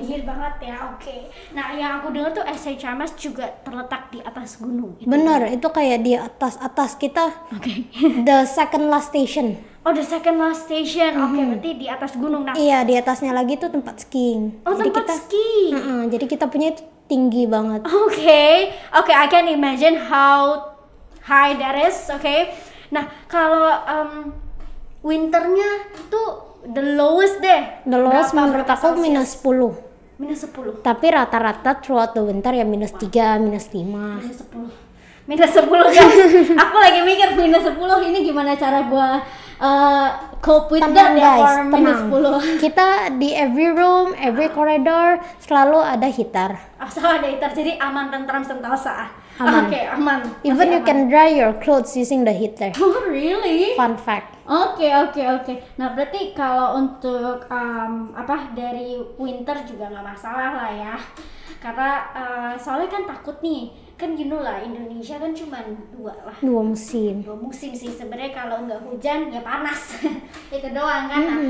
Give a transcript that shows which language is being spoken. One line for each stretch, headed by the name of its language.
Indonesian: Dingin banget ya, oke. Nah yang aku dengar tuh SHMS juga terletak di atas gunung. Bener, itu kayak di atas-atas kita. Oke.
English: The second last station.
Indonesian: Oh,
English: the second last station.
Indonesian: Oke, berarti di atas gunung. Nah. Iya, di atasnya lagi tuh tempat skiing. Oh, jadi tempat skiing. Jadi kita punya itu tinggi banget.
English: Oke, I can imagine how high that is, oke.
Indonesian: Nah, kalau winternya tuh
English: the lowest
Indonesian: deh.
English: The lowest
Indonesian: menurut aku minus 10. Minus 10. Tapi rata-rata
English: throughout the winter
Indonesian: ya minus 3, minus 5. Minus 10 guys. Aku lagi mikir minus 10 ini gimana cara gua
English: cope with that
Indonesian: ya,
English: guys, for minus 10.
Indonesian: Kita di
English: every room, every corridor
Indonesian: selalu ada heater. Oh, selalu ada heater, jadi aman, tentram, sentosa. Aman. Aman.
English: Even you can dry your clothes using the heater. Oh, really? Fun fact. Oke.
Indonesian: Nah, berarti kalau untuk dari winter juga nggak masalah lah ya. Karena soalnya kan takut nih, kan gini lah, Indonesia kan cuma dua lah. Dua musim sih sebenarnya, kalau nggak hujan ya panas. Itu doang kan.